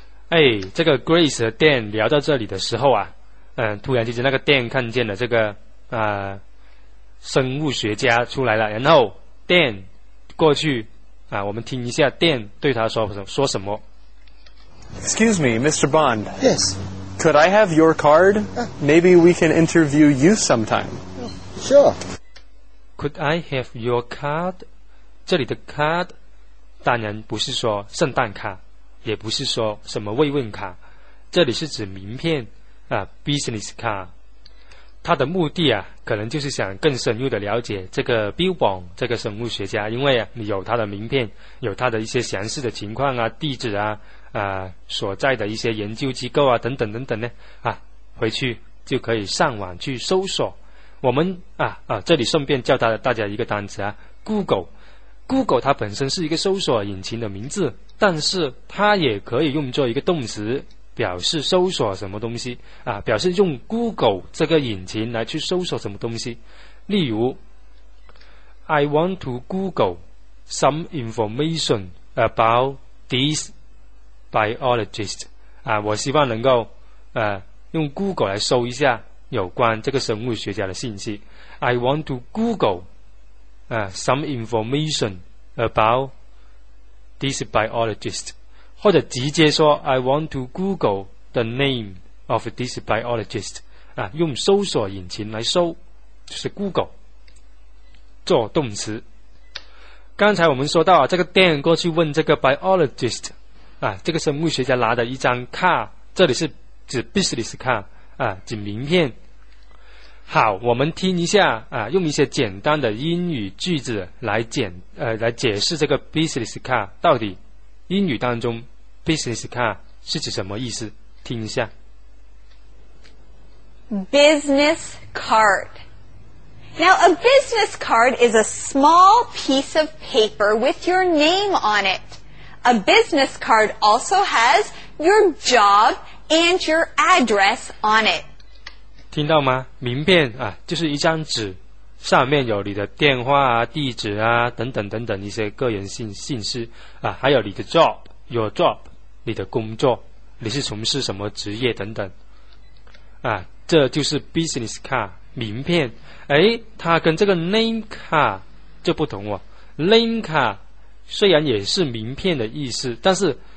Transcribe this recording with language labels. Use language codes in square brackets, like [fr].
[zh] 哎，这个 Grace 和 Dan 聊到这里的时候啊，突然之间那个 Dan 看见了这个生物学家出来了，然后 Dan 过去啊，我们听一下 Dan 对他说什么。 [en] Excuse me, Mr. Bond. Yes. Could I have your card? Maybe we can interview you sometime. Sure. Could I have your card? [zh] 这里的 card 当然不是说圣诞卡，也不是说什么慰问卡，这里是指名片啊 ，business card。他的目的啊，可能就是想更深入的了解这个 Bill Bond 这个生物学家，因为、啊、有他的名片，有他的一些详细的情况啊、地址啊。所在的一些研究机构啊等等等等呢啊，回去就可以上网去搜索。我们这里顺便教大家一个单词啊， Google 它本身是一个搜索引擎的名字，但是它也可以用作一个动词，表示搜索什么东西啊，表示用 Google 这个引擎来去搜索什么东西。例如 I want to Google some information about thisBiologist 啊，我希望能够用 Google 来搜一下有关这个生物学家的信息。 [en] I want to Google some information about this biologist，或者直接说 I want to Google the name of this biologist 啊，用搜索引擎来搜，就是 Google 做动词。 [zh] 刚才我们说到啊，这个 Dan 过去问这个 biologist。啊，这个生物学家拿的一张卡，这里是指 business 卡啊，指名片。好，我们听一下啊，用一些简单的英语句子来解释这个 business 卡到底英语当中 business 卡是指什么意思？听一下 [en] ，business card。 Now a business card is a small piece of paper with your name on it. A business card also has your job and your address on it. [zh] 听到吗？名片啊，就是一张纸，上面有你的电话啊、地址啊等等等等一些个人信息啊，还有你的 job， your job，你的工作，你是从事什么职业等等。啊，这就是 business card 名片。哎，它跟这个 name card 就不同哦 ，name card。虽然也是名片的意思，但是